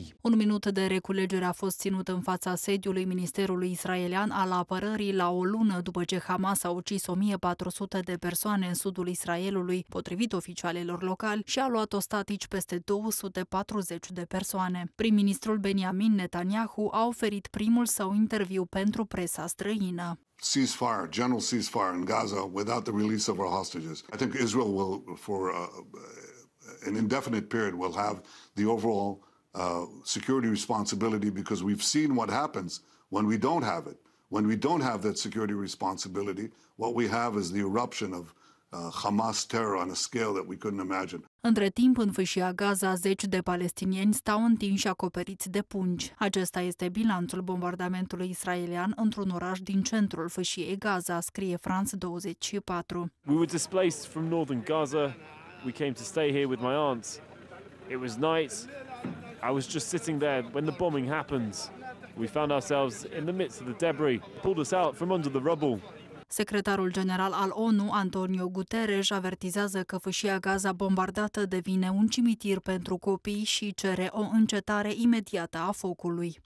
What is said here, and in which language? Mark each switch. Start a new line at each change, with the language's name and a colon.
Romanian: Un minut de reculegere a fost ținut în fața sediului Ministerului Israelian al Apărării la o lună după ce Hamas a ucis 1.400 de persoane în sudul Israelului, potrivit oficialelor locali, și a luat ostatici peste 240 de persoane. Prim-ministrul Benjamin Netanyahu a oferit primul său interviu pentru presa străină.
English: ceasefire, general ceasefire in Gaza without the release of our hostages. I think Israel will, for an indefinite period, will have the overall security responsibility, because we've seen what happens when we don't have it. When we don't have that security responsibility, what we have is the eruption of Hamas terror on a scale that we couldn't imagine.
Romanian: Între timp, în fâșia Gaza, zeci de palestinieni stau întinși și acoperiți de pungi. Acesta este bilanțul bombardamentului israelian într-un oraș din centrul fâșiei Gaza, scrie France 24.
English: We were displaced from northern Gaza. We came to stay here with my aunt. It was night. I was just sitting there when the bombing happened. We found ourselves in the midst of the debris. Pulled us out from under the rubble.
Romanian: Secretarul general al ONU, Antonio Guterres, avertizează că fâșia Gaza bombardată devine un cimitir pentru copii și cere o încetare imediată a focului.